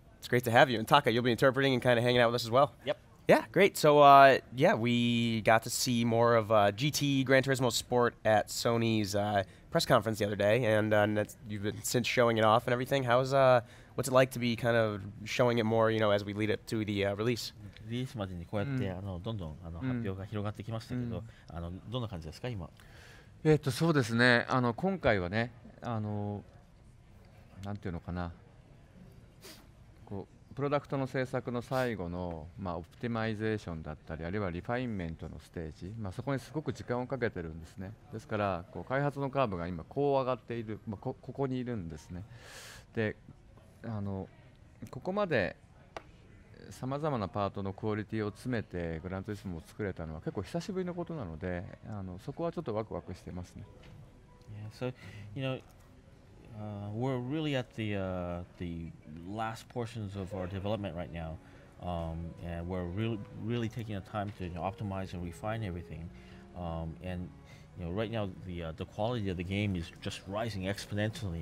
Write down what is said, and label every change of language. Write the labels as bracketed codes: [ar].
[en] It's great to have you. And Taka, you'll be interpreting and kind of hanging out with us as well. Yep. Yeah, great. So we got to see more of GT Gran Turismo Sport at Sony's press conference the other day, and you've been since showing it off and everything. How's what's it like to be kind of showing it more, you know, as we lead up to the release? [ja] リリースまでにこうやって、うん、どんどん発表が広がってきましたけど、うん、どんな感じですか今？そうですね。今回はね、なんていうのかな、こうプロダクトの制作の最後の、まあ、オプティマイゼーションだったり、あるいはリファインメントのステージ、まあ、そこにすごく時間をかけてるんですね。ですからこう開発のカーブが今こう上がっている、まあ、ここにいるんですね。で、ここまで様々なパートのクオリティを詰めてグランツリスモを作れたのは結構久しぶりのことなので、そこはちょっとワクワクしてますね。 [en] Yeah, so, you know, we're really at the last portions of our development right now, and we're really taking the time to optimize and refine everything. And you know, right now the quality of the game is just rising exponentially.